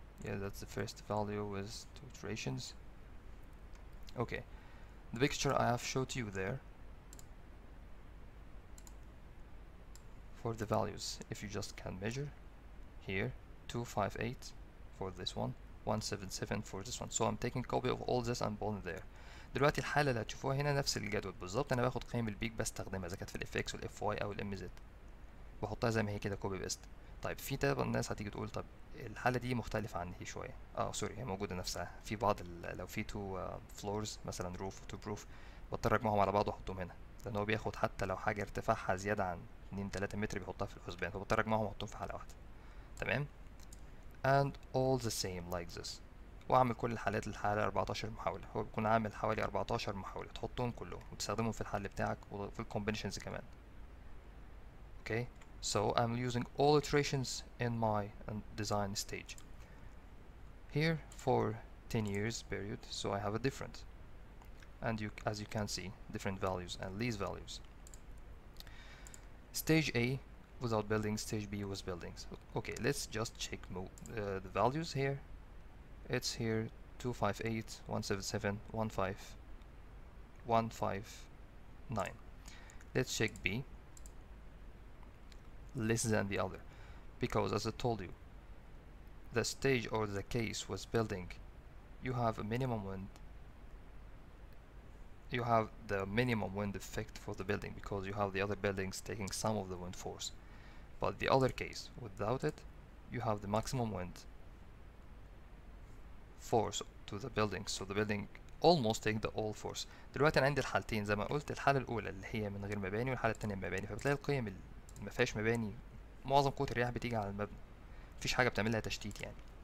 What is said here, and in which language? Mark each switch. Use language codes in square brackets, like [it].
[en] Yeah, that's the first value with two iterations. Okay, the picture I have showed you there. For the values, if you just can measure here, 258 for this one, 177 for this one. So I'm taking copy of all this and putting there. [ar] دلوقتي الحالة اللي هتشوفوها هنا نفس الجدول بالظبط. أنا باخد قيم البيك بستخدمها إذا كانت في الإفكس والإفواي أو الإمز, بحطها زي ما هي كده كوبي بيست. طيب في طبعا الناس هتيجي تقول طب الحالة دي مختلفة عن هي شوية. سوري, هي موجودة نفسها في بعض, لو في تو فلورز مثلا روف وتو بروف بضطر أجمعهم على بعض وأحطهم هنا, لأن هو بياخد حتى لو حاجة ارتفاعها زيادة عن 2-3 متر بيحطها في الحسبان, فبضطر اجمعهم واحطهم في حاله واحده. تمام, [en] and all the same like this, [ar] واعمل كل الحالات للحاله 14 محاوله. هو بيكون عامل حوالي 14 محاوله تحطهم كلهم وتستخدمهم في الحل بتاعك وفي الكومبينيشنز كمان. [en] Okay, so I'm using all iterations in my design stage here for 10 years period, so I have a different, and you as you can see different values and least values. Stage A without buildings, stage B with buildings. Okay, let's just check the values here. It's here 258, 177, 15, 159. Let's check B, less than the other. Because as I told you, the stage or the case with building, you have a minimum wind. You have the minimum wind effect for the building because you have the other buildings taking some of the wind force. But the other case, without it, you have the maximum wind force to the building. So the building almost takes the all force. [ar] دلوقتي انا عندي الحالتين زي ما قلت, الحالة الأولى اللي هي من غير مباني والحالة التانية مباني, فبتلاقي القيم اللي ما فيهاش مباني معظم قوة الرياح بتيجي على المبنى, مفيش حاجة بتعملها تشتيت يعني.